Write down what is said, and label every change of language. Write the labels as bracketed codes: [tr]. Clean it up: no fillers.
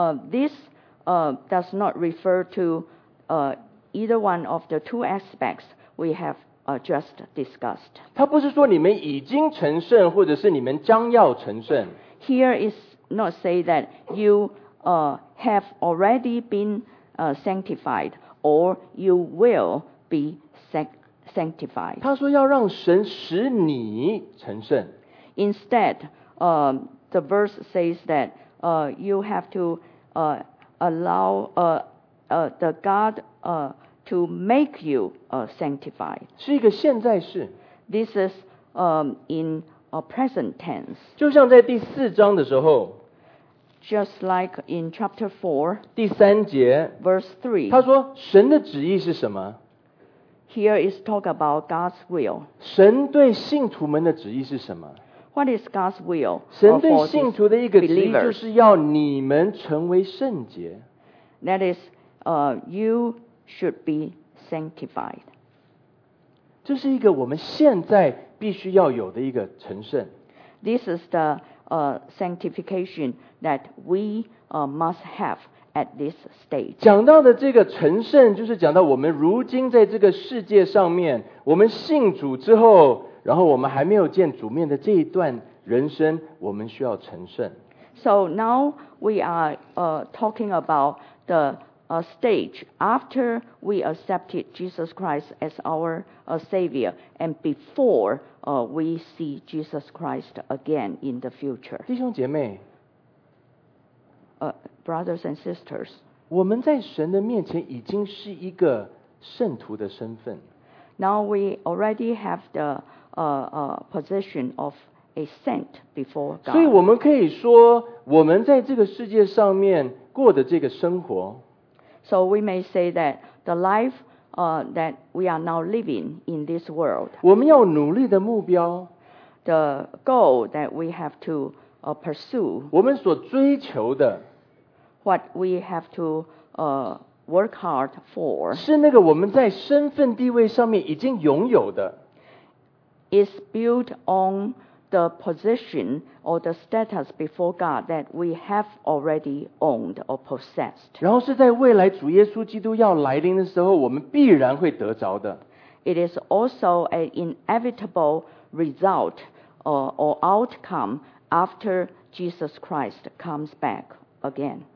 [en] This does not refer to either one of the two aspects we have just discussed. [zh] 他不是说你们已经成圣，或者是你们将要成圣。 [en] Here is not say that you have already been sanctified or you will be sanctified. [zh] 他说要让神使你成圣。 [en] Instead, the verse says that you have to allow the God to make you sanctified. [zh] 是一个现在式。 [en] This is in a present tense. [zh] 就像在第四章的时候。 [en] Just like in chapter 4, [zh] 第三节, [en] verse 3, [zh] 他说神的旨意是什么? [en] Here is talk about God's will. [zh] 神对信徒们的旨意是什么? [en] What is God's will? [zh] 神对信徒的一个旨意就是要你们成为圣洁。 [en] That is, you should be sanctified. [zh] 这是一个我们现在必须要有的一个成圣。 [en] This is the sanctification that we must have at this stage. [zh] 讲到的这个成圣，就是讲到我们如今在这个世界上面，我们信主之后，然后我们还没有见主面的这一段人生，我们需要成圣。 [en] So now we are talking about the stage after we accepted Jesus Christ as our Savior and before we see Jesus Christ again in the future. [zh] 弟兄姐妹, [en] brothers and sisters, [zh] 我们在神的面前已经是一个圣徒的身份。 [en] Now we already have the position of a saint before God. [zh] 所以我们可以说我们在这个世界上面过的这个生活。 [en] So we may say that the life that we are now living in this world, [zh] 我们要努力的目标, [en] the goal that we have to pursue, [zh] 我们所追求的, [en] what we have to work hard for, [zh] 是那个我们在身份地位上面已经拥有的, [en] is built on the position or the status before God that we have already owned or possessed. [zh] 然后是在未来主耶稣基督要来临的时候我们必然会得着的。 [en] It is also an inevitable result or outcome after Jesus Christ comes back again.